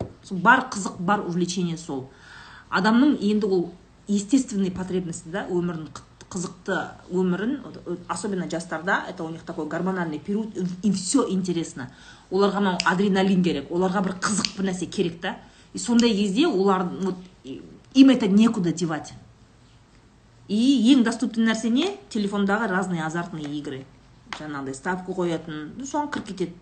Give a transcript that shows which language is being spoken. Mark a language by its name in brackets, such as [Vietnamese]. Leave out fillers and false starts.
[Kazakh] Бар қызық, бар увлечение сол. Адамның енді ол [Russian] естественный потребности, да, [Kazakh] өмірінің қызықты өмірін, [Russian] особенно жастарда, это у них такой гормональный период, и все интересно. [Kazakh] Оларға мынау адреналин керек, оларға бір қызық бір нәрсе керек, да? [Russian] И [Kazakh] сондай кезде олар [Russian] вот им это некуда девать. [Kazakh] И ең доступты нәрсе не? Телефондағы [Russian] разные азартные игры. [Kazakh] Жаңағыдай ставка қоятын, ну, соған кіріп кетеді.